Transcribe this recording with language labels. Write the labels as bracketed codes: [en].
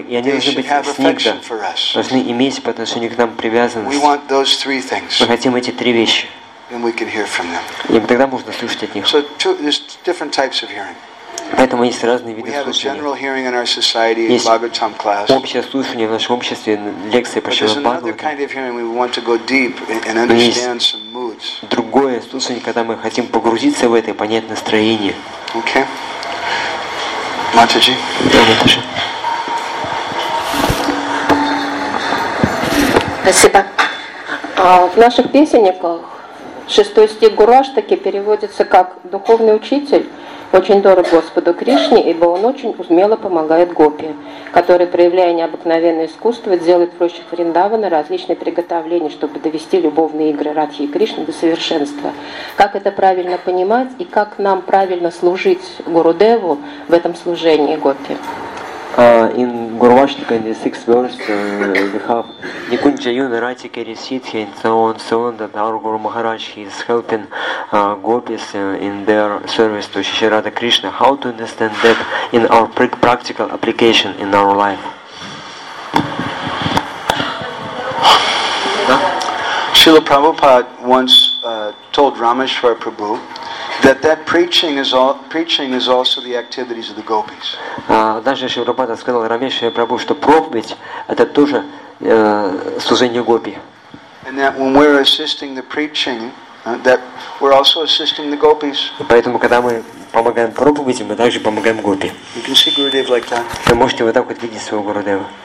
[ru] И они должны быть снигда. Должны иметь по отношению к нам привязанность. Мы хотим эти три вещи. [en] And we can hear from them. [ru] И тогда можно слышать от них. [en] So there's different types of hearing. [ru] Поэтому есть разные виды слушания. [en] We have a general hearing in our society, in Bhagavatam class. [ru] Общее слушание в нашем обществе, лекции по [en] Шримад Бхагаватам. But there's another kind of hearing. We want to go deep and understand some moods. [ru] Другое слушание, когда мы хотим погрузиться в это и понять настроение. [en] Okay. Матаджи. [ru] Спасибо. В наших песенниках шестой стих Гураштаки переводится как «Духовный учитель очень дорог Господу Кришне, ибо он очень умело помогает гопи, который, проявляя необыкновенное искусство, делает проще Вриндавана различные приготовления, чтобы довести любовные игры Радхи и Кришны до совершенства. Как это правильно понимать и как нам правильно служить Гурудеву в этом служении гопи?» [en] In Gurvashtaka, in the sixth verse, we have Nikunjayun Ratikari Siddhi and so on that our Guru Maharaj is helping gopis in their service to Shishirada Krishna. How to understand that in our practical application in our life? Srila Prabhupada once told Rameshwar Prabhu that preaching is also the activities of the gopis. [ru] Даже Шивропада сказал Рамешве Прабху, что проповедь это тоже служение гопи. [en] And that when we're assisting the preaching, that we're also assisting the gopis. [ru] Поэтому когда мы помогаем проповеди, мы также помогаем гопи. [en] You can see Gurudev like that. [ru] Вы можете вот так вот видеть своего Гурудева.